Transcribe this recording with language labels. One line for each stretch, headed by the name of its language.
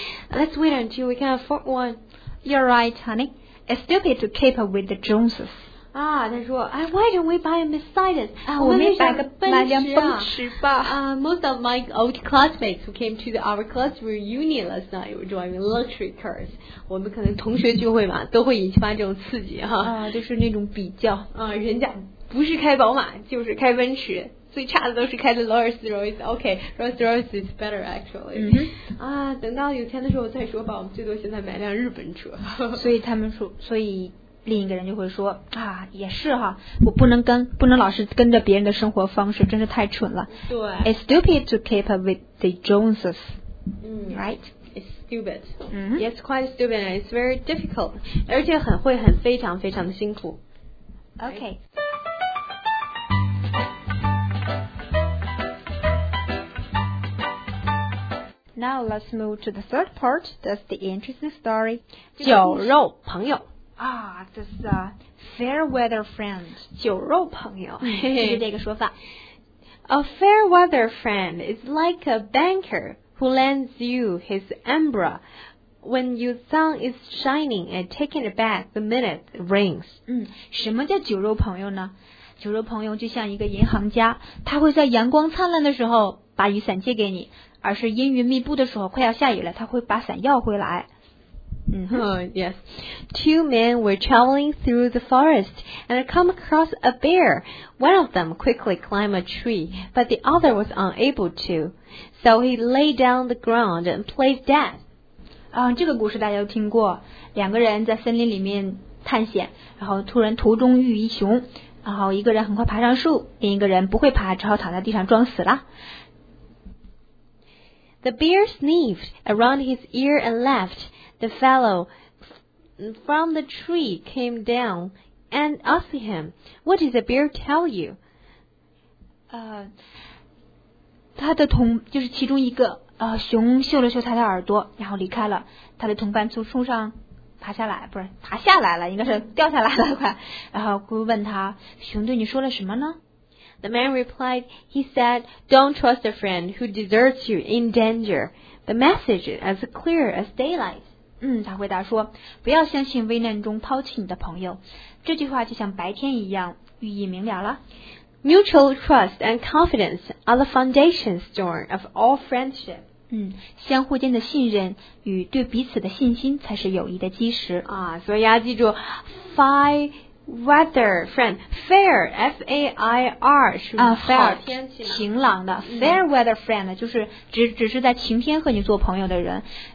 English: Let's wait until we can afford one. You're right, honey. It's stupid to keep up with the Joneses.
Chinese: 他说
English: why don't we buy a Mercedes?
Chinese: 我们买个奔驰啊。
English: Most of my old classmates who came to our class reunion last night were driving luxury cars.
Chinese: 我们可能同学聚会嘛，都会引发这种刺激哈。就是那种比较。人家不是开宝马，就是开奔驰。最差的都是开的
English: Rolls Royce. Okay, Rolls Royce is better actually.
Chinese: 等到有钱的时候再说吧，我们最多现在买辆日本车。所以另一个人就会说也是哈，我不能老是跟着别人的生活方式，真是太蠢了。对
English: ，It's stupid to keep up with the Joneses. Right? It's stupid. Yes, quite stupid. And it's very difficult.
Chinese: 而且很非常非常的辛苦。
English: Okay. Now let's move to the third part. That's the interesting story.
Chinese: 酒肉朋友。这是啊 fair weather friend 酒肉朋友就是这个说法
English: A fair weather friend is like a banker who lends you his umbrella when your sun is shining and taking a bath the minute it rains
Chinese: 什么叫酒肉朋友呢酒肉朋友就像一个银行家他会在阳光灿烂的时候把雨伞借给你而是阴云密布的时候快要下雨了他会把伞要回来
English: Yes. Two men were traveling through the forest and come across a bear. One of them quickly climbed a tree, but the other was unable to. So he lay down the ground and played dead.
Chinese: 这个故事大家都听过。两个人在森林里面探险，然后突然途中遇一熊，然后一个人很快爬上树，另一个人不会爬，只好躺在地上装死了。
English: The bear sniffed around his ear and left. The fellow from the tree came down and asked him, "What did the bear tell you?"
Chinese: 他的同就是其中一个熊嗅了嗅他的耳朵，然后离开了。他的同伴从树上爬下来，不是爬下来了，应该是掉下来了，快。然后问他，熊对你说了什么呢？
English: The man replied, he said, don't trust a friend who deserts you in danger. The message is as clear as daylight.
Chinese: 他回答说不要相信危难中抛弃你的朋友这句话就像白天一样寓意明了了
English: Mutual trust and confidence are the foundation stone of all friendship
Chinese: 相互间的信任与对彼此的信心才是友谊的基石所以记住 fire weather friend fair F-A-I-R 是
English: fair
Chinese: 天气晴朗的 fair weather friend 就是只是在晴天和你做朋友的人